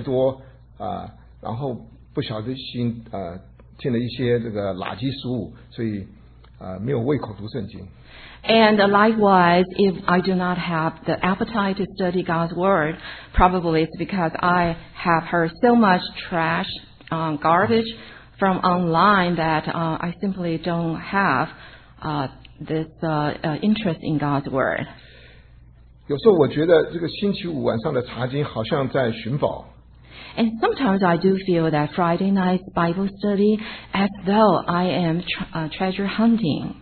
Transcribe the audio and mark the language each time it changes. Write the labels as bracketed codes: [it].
[zh] 同样的，没有读，没有这个不想读圣经呢，是因为我可能是在网络上听的太多，然后不小心。听了一些这个垃圾书，所以没有胃口读圣经。 [en] And likewise, if I do not have the appetite to study God's word, probably it's because I have heard so much trash, garbage from online that I simply don't have interest in God's word. [zh] 有时候我觉得这个星期五晚上的查经好像在寻宝。 [en] And sometimes I do feel that Friday night Bible study as though I am treasure hunting.